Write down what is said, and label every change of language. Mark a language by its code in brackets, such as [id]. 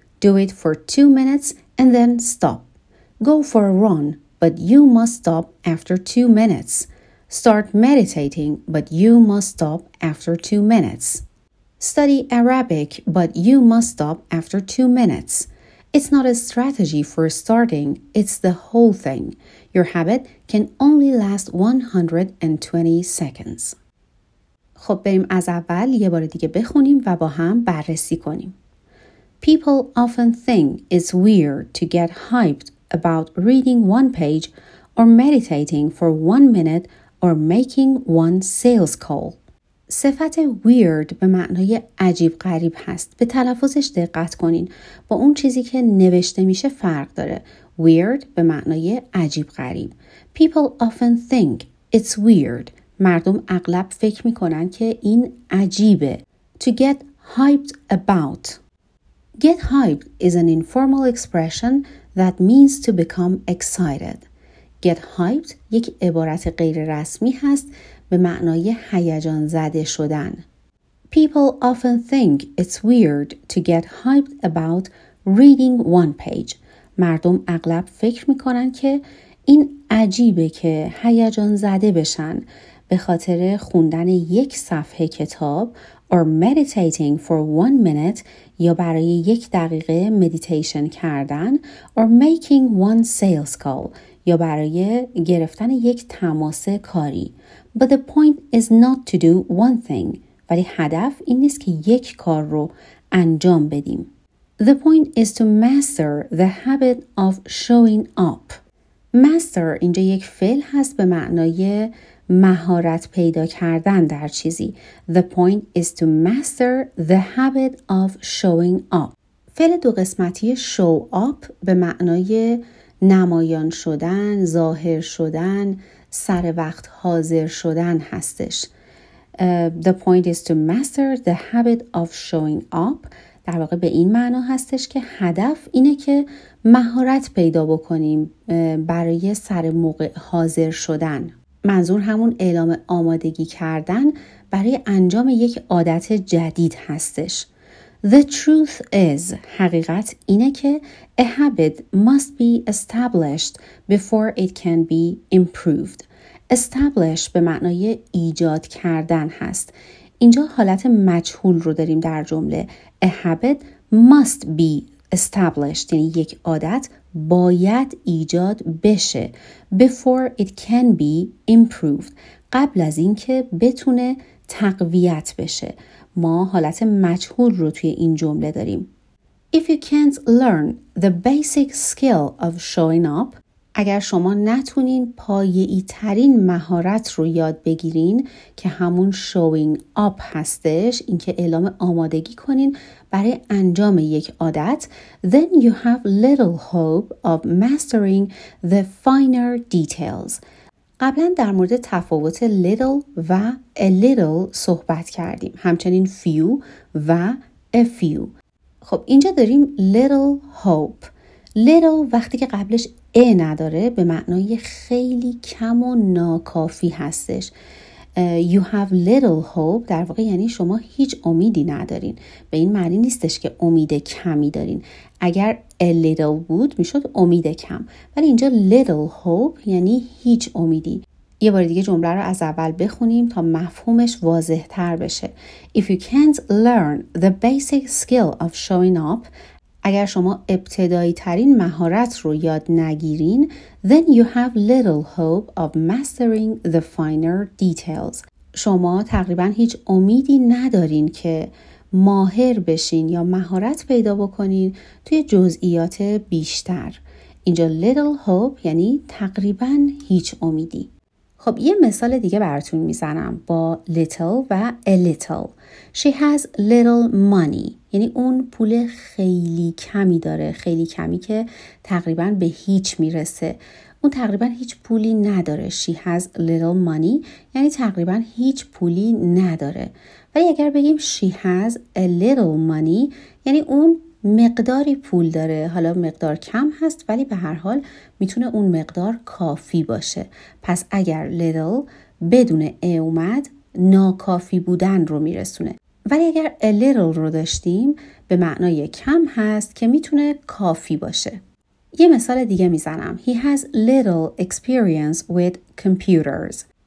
[en] Do it for 2 minutes and then stop. Go for a run, but you must stop after 2 minutes. Start meditating, but you must stop after 2 minutes. Study Arabic, but you must stop after 2 minutes. It's not a strategy for starting, it's the whole thing. Your habit can only last 120 seconds. [fa] خب بریم از اول یه بار دیگه بخونیم و با هم بررسی کنیم. [en] People often think it's weird to get hyped about reading one page or meditating for 1 minute or making one sales call. [fa] صفت weird به معنای عجیب غریب هست. به تلفظش دقت کنین. با اون چیزی که نوشته میشه فرق داره. Weird به معنای عجیب غریب. [en] People often think it's weird. [fa] مردم اغلب فکر میکنن که این عجیبه. [en] To get hyped about. Get hyped is an informal expression that means to become excited. [fa] Get hyped یک عبارت غیر رسمی هست به معنای هیجان زده شدن. [en] People often think it's weird to get hyped about reading one page. [fa] مردم اغلب فکر میکنن که این عجیبه که هیجان زده بشن به خاطر خوندن یک صفحه کتاب [en] or meditating for 1 minute [fa] یا برای یک دقیقه مدیتیشن کردن [en] or making one sales call [fa] یا برای گرفتن یک تماس کاری. [en] But the point is not to do one thing. [fa] ولی هدف این نیست که یک کار رو انجام بدیم. [en] The point is to master the habit of showing up. [fa] Master اینجا یک فعل هست به معنای مهارت پیدا کردن در چیزی. [en] The point is to master the habit of showing up. [fa] فعل دو قسمتی show up به معنای نمایان شدن، ظاهر شدن، سر وقت حاضر شدن هستش. [en] The point is to master the habit of showing up. [fa] در واقع به این معنا هستش که هدف اینه که مهارت پیدا بکنیم برای سر موقع حاضر شدن. منظور همون اعلام آمادگی کردن برای انجام یک عادت جدید هستش. [en] The truth is، [fa] حقیقت اینه که [en] a habit must be established before it can be improved. [fa] Establish به معنای ایجاد کردن هست. اینجا حالت مجهول رو داریم در جمله. [en] A habit must be established، [fa] یعنی یک عادت باید ایجاد بشه. [en] Before it can be improved، [fa] قبل از این که بتونه تقویت بشه. ما حالت مجهول رو توی این جمله داریم. [en] If you can't learn the basic skill of showing up، [fa] اگر شما نتونین پایه‌ای ترین مهارت رو یاد بگیرین که همون showing up هستش، اینکه اعلام آمادگی کنین برای انجام یک عادت، [en] then you have little hope of mastering the finer details. [fa] قبلا در مورد تفاوت little و a little صحبت کردیم، همچنین few و a few. خب اینجا داریم little hope. Little وقتی که قبلش ا نداره به معنای خیلی کم و ناکافی هستش. [en] You have little hope [fa] در واقع یعنی شما هیچ امیدی ندارین. به این معنی نیستش که امید کمی دارین. اگر a little بود میشد امید کم، ولی اینجا little hope یعنی هیچ امیدی. یه بار دیگه جمله رو از اول بخونیم تا مفهومش واضح تر بشه. [en] If you can't learn the basic skill of showing up، [fa] اگر شما ابتدایی ترین مهارت رو یاد نگیرین، [en] then you have little hope of mastering the finer details. [fa] شما تقریبا هیچ امیدی ندارین که ماهر بشین یا مهارت پیدا بکنین توی جزئیات بیشتر. اینجا little hope یعنی تقریبا هیچ امیدی. خب یه مثال دیگه براتون میزنم با little و a little. [en] She has little money، [fa] یعنی اون پول خیلی کمی داره، خیلی کمی که تقریبا به هیچ میرسه. اون تقریبا هیچ پولی نداره. [en] She has little money [fa] یعنی تقریبا هیچ پولی نداره. ولی اگر بگیم [en] she has a little money، [fa] یعنی اون مقداری پول داره. حالا مقدار کم هست، ولی به هر حال میتونه اون مقدار کافی باشه. پس اگر little بدون ا اومد، ناکافی بودن رو میرسونه. ولی اگر a little رو داشتیم، به معنای کم هست که میتونه کافی باشه. یه مثال دیگه میزنم. [en] He has little experience with computers.